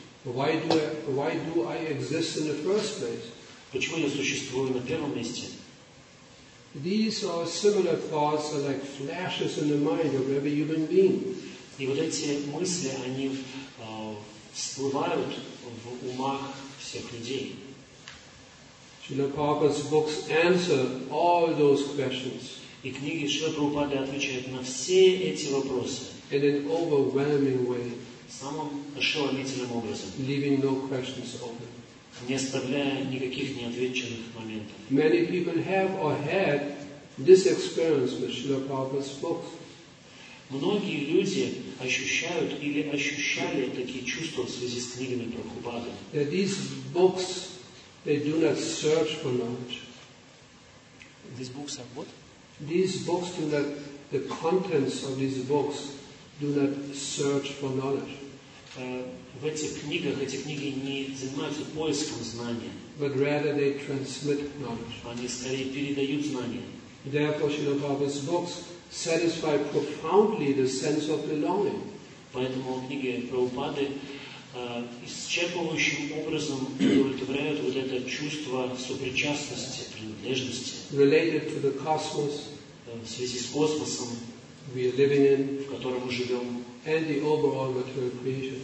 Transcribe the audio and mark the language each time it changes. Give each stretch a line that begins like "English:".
English: Why do I exist in the first place?
Russian: Почему я существую на первом месте?
English: These are similar thoughts that are like flashes in the mind of every human being.
Russian: И вот эти мысли, они всплывают в умах всех людей.
English: Srila Prabhupada's books answer all those questions.
Russian: И книги Шрила Прабхупады отвечают на все эти вопросы.
English: In an overwhelming way.
Russian: Самым ошеломительным образом.
English: Leaving no questions open.
Russian: Не оставляя никаких неотвеченных моментов.
English: Many people have or had this experience with Шрила Прабхупада's books.
Russian: Многие люди ощущают или ощущали такие чувства в связи с книгами Прабхупады.
English: That these books, they do not search for knowledge. These books are what? These books do not, the contents of these books do not search for knowledge.
Russian: В этих книгах, эти книги не занимаются поиском знания.
English: But rather they transmit knowledge.
Russian: Они скорее передают знания.
English: Therefore, Srila Prabhupada's books satisfy profoundly the sense of belonging.
Russian: Поэтому книги Прабхупады исчерпывающим образом удовлетворяют вот это чувство сопричастности, принадлежности.
English: Related to the cosmos,
Russian: в связи с космосом,
English: we are living in,
Russian: в котором мы живем,
English: and the overall material creation,